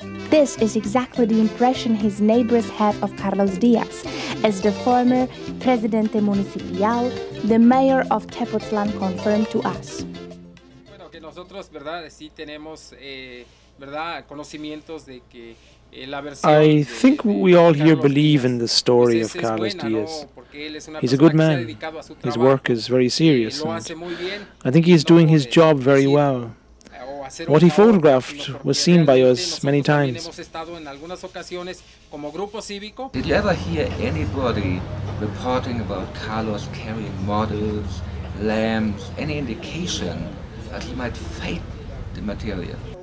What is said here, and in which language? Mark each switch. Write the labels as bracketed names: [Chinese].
[English] This is exactly the impression his neighbors had of Carlos Diaz, as the former presidente municipal, the mayor of Tepoztlán, confirmed to us. [Spanish] Bueno, que nosotros, verdad, sí tenemos, verdad, conocimientos de que la versión. [English] I think we all here believe in the story of Carlos Diaz. He's a good man. His work is very serious. And I think he's doing his job very well. What he photographed was seen by us many times. Did you ever hear anybody reporting about Carlos carrying models, lamps, any indication that he might fake the material?